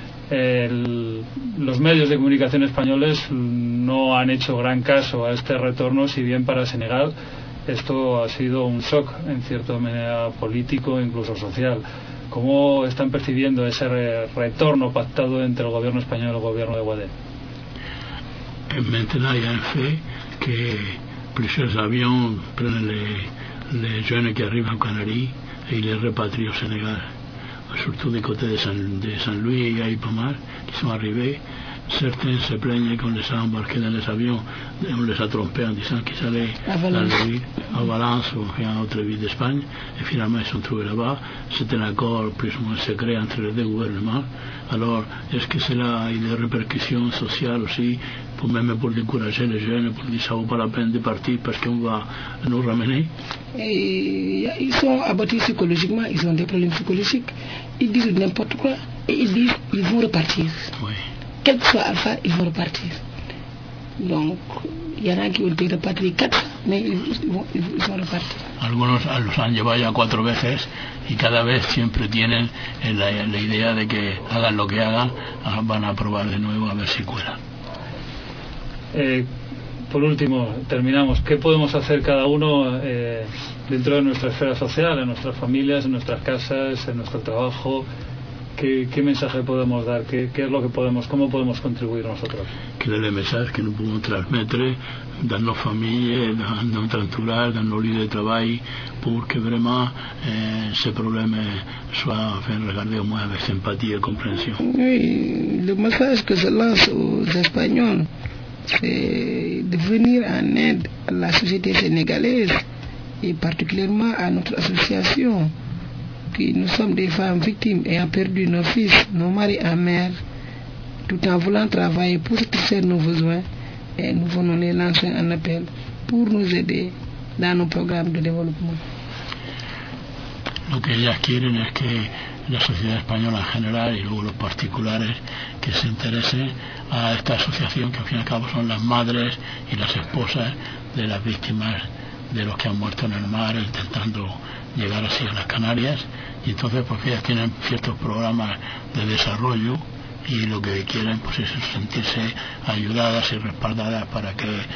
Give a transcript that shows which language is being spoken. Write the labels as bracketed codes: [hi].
[es] Los medios de comunicación españoles no han hecho gran caso a este retorno, si bien para Senegal esto ha sido un shock en cierta manera político e incluso social. ¿Cómo están percibiendo ese retorno pactado entre el gobierno español y el gobierno de Ouadé? [fr] En maintenant, il y a un fait que plusieurs avions prennent les jeunes qui arrivent aux Canaries et ils les repatrient au Sénégal. Surtout du côté de Saint-Louis et Aïpomar, qui sont arrivés, certains se plaignent qu'on les a embarqués dans les avions, et on les a trompés en disant qu'ils allaient à Valence ou à autre ville d'Espagne, et finalement ils se sont trouvés là-bas. C'est un accord plus ou moins secret entre les deux gouvernements. Alors, est-ce que cela a des répercussions sociales aussi, pour même pour décourager les jeunes, pour dire ça vaut pas la peine de partir parce qu'on va nous ramener? Et ils sont abattus psychologiquement, ils ont des problèmes psychologiques, ils disent n'importe quoi, et ils disent ils vont repartir. Oui. Quel que soit Alpha, ils vont repartir. Donc, il y en a qui ont été repartis 4, mais ils vont repartir. [es] Algunos los han llevado ya 4 veces, y cada vez siempre tienen la idea de que hagan lo que hagan, van a probar de nuevo a ver si cuela. Por último, terminamos. ¿Qué podemos hacer cada uno dentro de nuestra esfera social, en nuestras familias, en nuestras casas, en nuestro trabajo? ¿Qué mensaje podemos dar? ¿Qué es lo que podemos, cómo podemos contribuir nosotros? ¿Qué es el mensaje que nos podemos transmitir? Dando familia, dando entrenar, dando líder de trabajo, porque realmente ese problema es un regardeo muy de empatía y comprensión. Sí, el mensaje que se lanza a los españoles. [fr] C'est de venir en aide à la société sénégalaise et particulièrement à notre association, qui nous sommes des femmes victimes ayant perdu nos fils, nos maris en mer, tout en voulant travailler pour satisfaire nos besoins, et nous venons les lancer un appel pour nous aider dans nos programmes de développement. [es] Lo que ellas quieren es que la sociedad española en general y luego los particulares que se interesen a esta asociación, que al fin y al cabo son las madres y las esposas de las víctimas de los que han muerto en el mar intentando llegar así a las Canarias, y entonces pues ellas tienen ciertos programas de desarrollo y lo que quieren pues es sentirse ayudadas y respaldadas para que